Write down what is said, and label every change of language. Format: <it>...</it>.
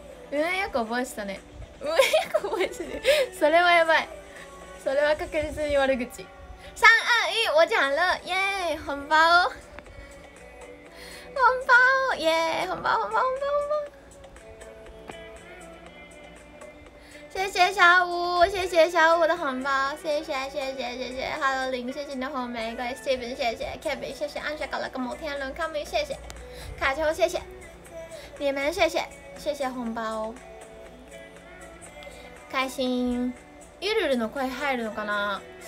<ja>上役覚えてたね。上役覚えてる。それはやばい。それは確実に悪口。321、</ja> <zh>我讲了、</zh> <ja>イエーイ、本番を。本番を、イエーイ、本番、本番、本番、本番。</ja> <zh>谢谢小五，谢谢小五的红包，谢谢谢谢谢谢 ，Hello 林，谢谢你的红玫瑰 ，Steven 谢谢 ，Kevin 谢谢，暗下搞了个摩天轮 ，Come in 谢谢，卡丘谢谢，你们谢谢谢谢红包，开心。</zh> <ja>ゆるるの声入るのかな？</ja>